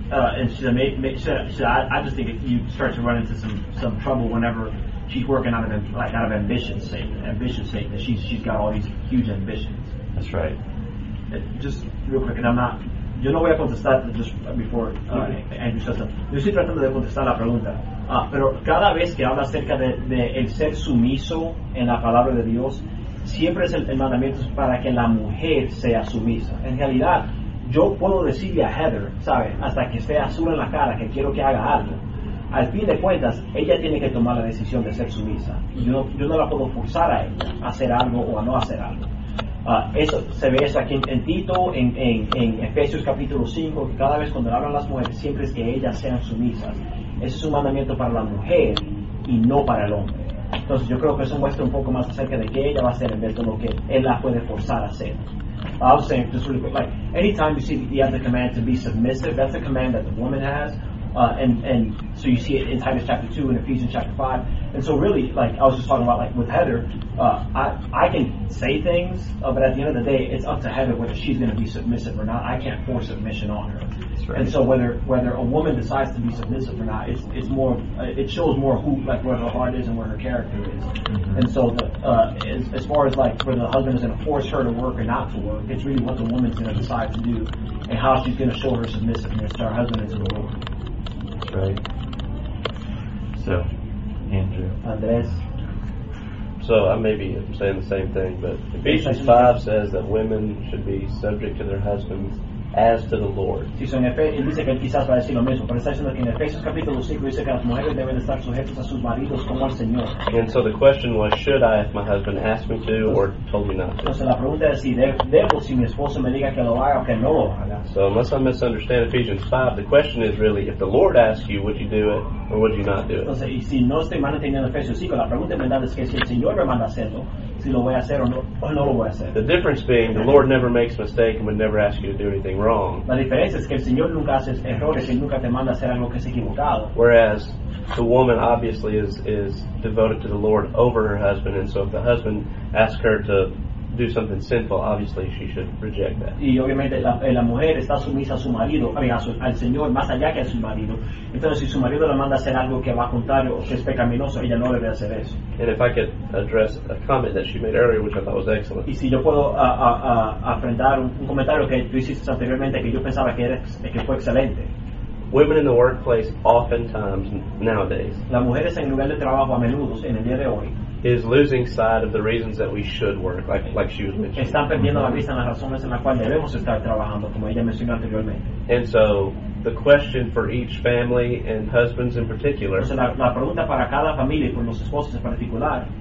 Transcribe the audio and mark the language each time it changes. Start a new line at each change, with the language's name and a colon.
English: And she I just think you start to run into some trouble whenever she's working out of like out of ambition sake that she's got all these huge ambitions. That's right. Just real quick, and I'm not.
Spanish: Yo no voy a contestar
English: just before Andrew says that.
Spanish: Yo estoy tratando de contestar la pregunta. Pero cada vez que habla acerca de el ser sumiso en la palabra de Dios, siempre es el mandamiento para que la mujer sea sumisa. En realidad, yo puedo decirle a Heather, ¿sabes? Hasta que esté azul en la cara, que quiero que haga algo. Al fin de cuentas, ella tiene que tomar la decisión de ser sumisa. Yo no la puedo forzar a ella a hacer algo o a no hacer algo. Eso se ve eso aquí en Tito, en Efesios capítulo 5, que cada vez cuando hablan las mujeres, siempre es que ellas sean sumisas. Ese es un mandamiento para la mujer y no para el hombre. Entonces yo creo que eso muestra un poco más acerca de qué ella va a hacer en vez de lo que él la puede forzar a hacer.
English: I was saying, just really quick, like, anytime you see he has the command to be submissive, that's a command that the woman has. And so you see it in Titus chapter 2 and Ephesians chapter 5. And so really, like I was just talking about, like with Heather, I can say things, but at the end of the day, it's up to Heather whether she's going to be submissive or not. I can't force submission on her. That's right. And so whether a woman decides to be submissive or not, it's more, it shows more who, like where her heart is and where her character is. Mm-hmm. And so as far as like whether the husband is going to force her to work or not to work, it's really what the woman's going to decide to do and how she's going to show her submissiveness to her husband and to the Lord. Right. So, Andrew. Andres. I'm So I may be saying the same thing, but Ephesians 5 says that women should be subject to their husbands as to the Lord.
Spanish: Sí, so él dice que quizás va a decir lo mismo, pero está diciendo que en Efesios capítulo 5 dice que las mujeres deben estar sujetas a sus maridos como al Señor.
English: And so the question was, should I, if my husband asked me to, or told me not to?
Spanish: Entonces la pregunta es si debo, si mi esposo me diga que lo haga o que no lo haga.
English: So unless I misunderstand Ephesians 5, the question is really, if the Lord asks you, would you do it, or would you not do it?
Spanish: Entonces, y si no estoy mal entendiendo Efesios 5, la pregunta en verdad es que si el Señor me manda hacerlo, si lo voy a hacer o no lo voy a hacer.
English: The difference being, the Lord never makes a mistake and would never ask you to do anything wrong.
Spanish: La diferencia es que el Señor nunca hace errores y nunca te manda a hacer algo que es equivocado.
English: Whereas the woman obviously is devoted to the Lord over her husband, and so if the husband asks her to do something sinful, obviously she should reject that.
Spanish: Y obviamente la mujer está sumisa a su marido, al Señor, más allá que a su marido. Entonces si su marido la manda a hacer algo que va a contar o que es pecaminoso, ella no debe hacer eso.
English: And if I could address a comment that she made earlier, which I thought was excellent.
Spanish: Y si yo puedo afrontar un comentario que tú hiciste anteriormente que yo pensaba que fue excelente.
English: Women in the workplace oftentimes nowadays.
Spanish: Las mujeres en el lugar de trabajo a menudo en el día de hoy.
English: Is losing sight of the reasons that we should work, like she was mentioning.
Spanish: Están perdiendo la vista en las razones en las cuales debemos estar trabajando, como ella mencionó anteriormente.
English: And so, the question for each family and husbands in particular.
Spanish: Entonces, la pregunta para cada familia y por los esposos en particular.